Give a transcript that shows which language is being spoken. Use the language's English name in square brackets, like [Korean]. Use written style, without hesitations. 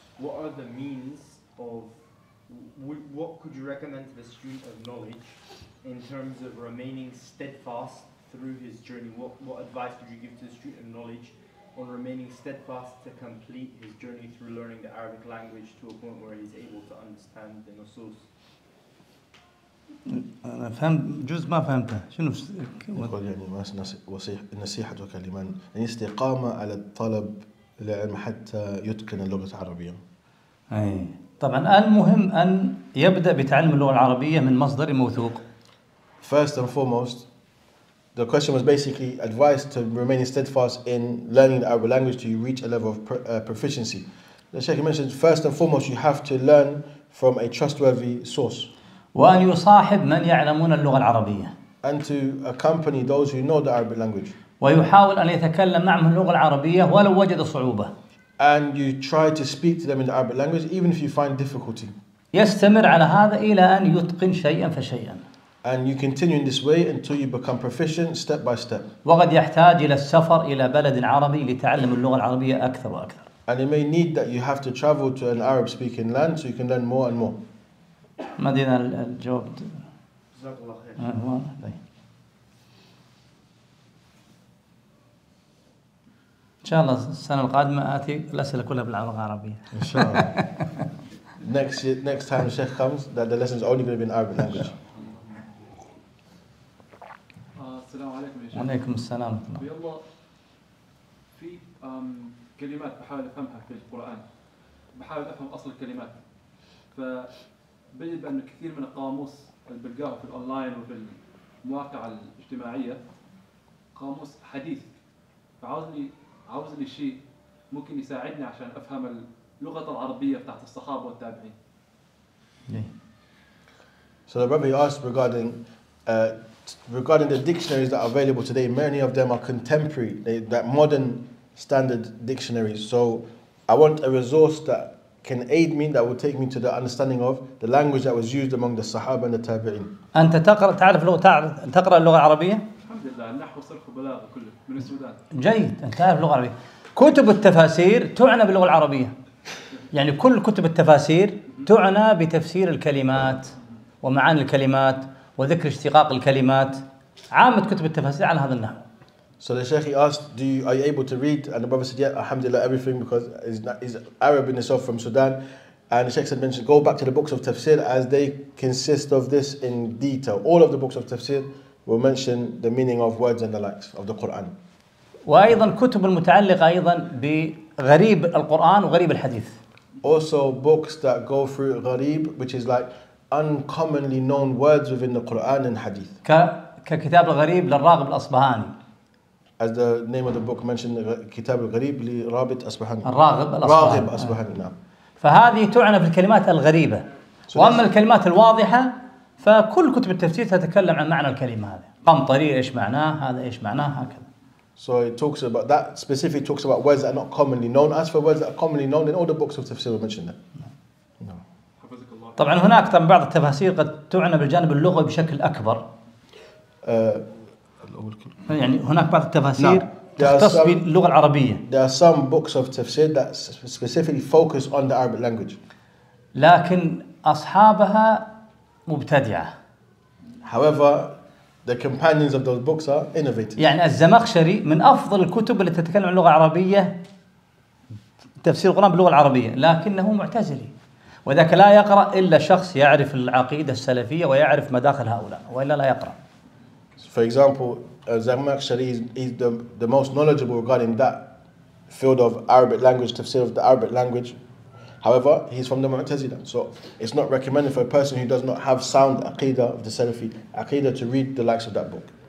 [English] What are the means of, what could you recommend to the student of knowledge in terms of remaining steadfast through his journey? What advice would you give to the student of knowledge on remaining steadfast to complete his journey through learning the Arabic language to a point where he's able to understand the nusus? [Arabic] أنا فهم جزء ما فهمته شنو يقول يعني ما نصيحتك لمن الاستقامة على الطلب لعلم حتى يتقن اللغة العربية. أي طبعا المهم أن يبدأ بتعلم اللغة العربية من مصدر موثوق. [English] First and foremost, the question was basically advice to remain steadfast in learning the Arabic language till you reach a level of proficiency. The Sheikh mentioned first and foremost you have to learn from a trustworthy source. [Arabic] وأن يصاحب من يعلمون اللغة العربية. [English] And to accompany those who know the Arabic language. [Arabic] ويحاول أن يتكلم معهم اللغة العربية ولو وجد صعوبة. [English] And you try to speak to them in the Arabic language even if you find difficulty. [Arabic] يستمر على هذا إلى أن يتقن شيئا فشيئا. [English] And you continue in this way until you become proficient step by step. [Arabic] وقد يحتاج إلى السفر إلى بلد عربي لتعلم اللغة العربية أكثر وأكثر. [English] And it may need that you have to travel to an Arab speaking land so you can learn more and more. [Arabic] مدينة الجواب جزاك الله خير. ان شاء الله السنه القادمه اتي الاسئله كلها باللغه العربيه ان شاء الله. [English] next time Sheikh comes that the lessons only going to be in Arabic language. [Arabic] السلام عليكم. وعليكم السلام. في الله في كلمات بحاول افهمها في القران بحاول أفهم أصل الكلمات. فبجد بأن كثير من القاموس اللي بلقاه في الأونلاين وفي المواقع الاجتماعية قاموس حديث، فعاوزني شيء ممكن يساعدني عشان أفهم اللغة العربية بتاعت الصحابة والتابعين. [English] So the Rabbi asked regarding the dictionaries that are available today, many of them are contemporary, that modern standard dictionaries. So I want a resource that can aid me, that will take me to the understanding of the language that was used among the Sahaba and the Tabi'in. [Arabic] أنت تقرأ تعرف لغة تقرأ اللغة العربية؟ الحمد لله النحو صرف بلاغة كله من السودان. جيد أنت تعرف اللغة العربية. كتب التفاسير تعنى باللغة العربية. يعني كل كتب التفاسير تعنى بتفسير الكلمات ومعاني الكلمات وذكر اشتقاق الكلمات. عامة كتب التفاسير على هذا النحو. [English] So the Sheikh asked, "Are you able to read?" And the brother said, "Yeah, Alhamdulillah, everything, because he's Arab in itself from Sudan." And the Sheikh said, "Mentioned go back to the books of Tafsir, as they consist of this in detail. All of the books of Tafsir will mention the meaning of words and the likes of the Quran." [Arabic] وأيضا كتب المتعلقة أيضا بغريب القرآن وغريب الحديث. [English] Also books that go through غريب, which is like uncommonly known words within the Quran and Hadith. [Arabic] ككتاب الغريب للراغب الأصبهاني. [English] As the name of the book mentioned, كتاب الغريب لرابط أصبهاني. [Arabic] الراغب الأصبهاني. راغب أصبهاني. نعم. فهذه تعنى في الكلمات الغريبة. So وأما الكلمات الواضحة فكل كتب التفسير تتكلم عن معنى الكلمة هذه. قمطري إيش معناه؟ هذا إيش معناه؟ هكذا. [English] So it talks about that specifically. Talks about words that are not commonly known. As for words that are commonly known, then all the books of tafsir will mention that. [Arabic] طبعاً هناك طبعاً بعض التفاسير قد تعنى بالجانب اللغوي بشكل أكبر. يعني هناك بعض التفاسير تختص باللغة العربية. [English] There are some books of tafsir that specifically focus on the Arabic language. [Arabic] لكن أصحابها مبتدعة. [English] However, the companions of those books are innovative. [Arabic] يعني الزمخشري من أفضل الكتب التي تتكلم عن اللغة العربية تفسير القرآن باللغة العربية، لكنه معتزلي. وذاك لا يقرأ إلا شخص يعرف العقيدة السلفية ويعرف مداخل هؤلاء، وإلا لا يقرأ. [English] For example, Zamakhshari is the most knowledgeable regarding that field of Arabic language, tafsir of the Arabic language. However, he's from the Mu'tazila. So it's not recommended for a person who does not have sound aqidah of the Salafi aqidah to read the likes of that book.